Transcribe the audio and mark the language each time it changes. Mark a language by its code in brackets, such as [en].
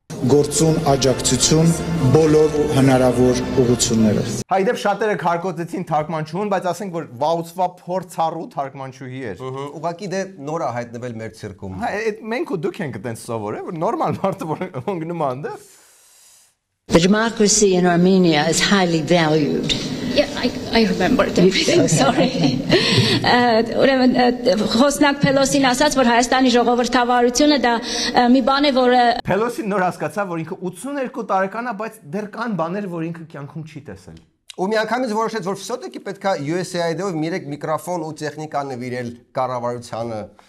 [hy] գործուն աջակցություն բոլոր հնարավոր ուղղությունները։ Հայդեպ շատերը քարկոծեցին թարգմանչուհին, բայց ասենք որ վաուցվա փորձառու թարգմանչուհի էր։ Ուղղակի դե նորա հայտնվել մեր ցիրկում։ Հա, այդ մենք ու դուք ենք այդպես սովորել, որ նորմալ մարդը որ ընկնում է այնտեղ։ [en] The democracy in Armenia is highly valued. Yeah, I remember everything. Sorry. [hy] Ուրեմն խոսնակ Փելոսին ասաց, որ Հայաստանի ժողովրդավարությունը դա մի բան է, որը Փելոսին նոր հասկացա, որ ինքը 82 տարեկան է, բայց դեռ կան բաներ, որ ինքը կյանքում չի տեսել։ Ու մի անգամից որոշեց, որ ֆսոտեկի պետքա USAID-ով մի երեք միկրոֆոն ու տեխնիկան նվիրել կառավարությանը,